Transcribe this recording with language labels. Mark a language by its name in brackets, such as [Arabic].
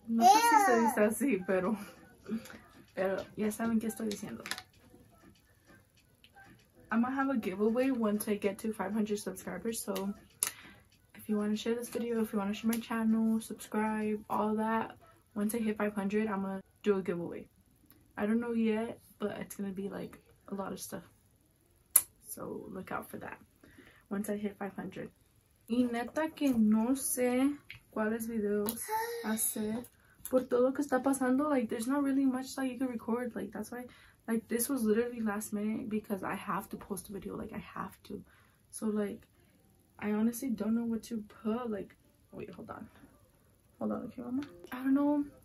[Spanish] No sé si se dice así, pero ya saben qué estoy diciendo. [English] I'm gonna have a giveaway once I get to 500 subscribers, so if you want to share this video, if you want to share my channel, subscribe, all that, once I hit 500, I'm gonna do a giveaway. I don't know yet, but it's gonna be like a lot of stuff, so look out for that once I hit 500. [Spanish] Y neta que no sé cuáles videos hacer por todo que está pasando. [English] Like, there's not really much that you can record, like, that's why. Like, this was literally last minute because I have to post a video. Like, I have to. So, like, I honestly don't know what to put. Like, wait, hold on. Hold on, okay, mama? I don't know.